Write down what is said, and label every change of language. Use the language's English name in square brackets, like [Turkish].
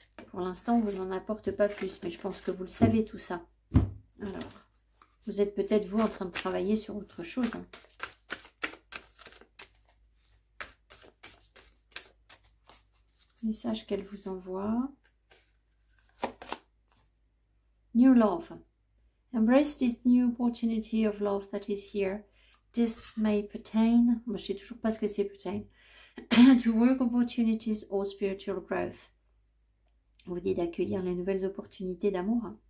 [French] Pour l'instant, vous n'en apporte pas plus, mais je pense que vous le savez tout ça. Alors, vous êtes peut-être vous en train de travailler sur autre chose. Message qu'elle vous envoie. [English] New love. Embrace this new opportunity of love that is here. This may pertain. [French] Moi, je ne sais toujours pas ce que c'est pertain. [English] To work opportunities or spiritual growth. [French] On vous dit d'accueillir les nouvelles opportunités d'amour.